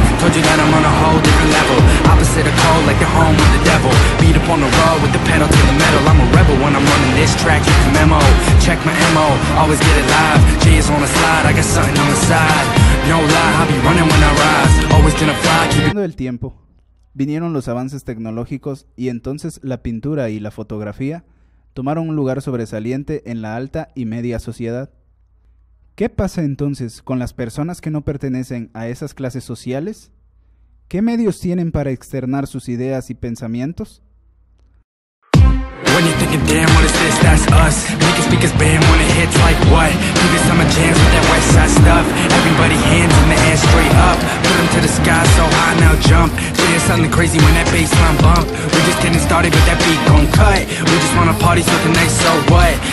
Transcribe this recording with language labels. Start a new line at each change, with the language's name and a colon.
English: Told you that I'm on a whole different level. Opposite of cold, like the home of the devil. Beat up on the road with the pedal to the metal. I'm a rebel when I'm running this track, get the memo. Check my MO, always get it live. J is on a slide, I got something on the side. No lie, I'll be running when I rise. Always gonna fly, keep it
Spanish: el tiempo. Vinieron los avances tecnológicos y entonces la pintura y la fotografía tomaron un lugar sobresaliente en la alta y media sociedad. ¿Qué pasa entonces con las personas que no pertenecen a esas clases sociales? ¿Qué medios tienen para externar sus ideas y pensamientos?
English: When you're thinking, damn, what is this? That's us. Make a speaker's bam when it hits like what? Give this some a chance with that West Side stuff. Everybody hands in the air straight up. Put them to the sky so high, now jump. Jam something crazy when that bass line bump. We just getting started but that beat gon' cut. We just wanna party so tonight, so what?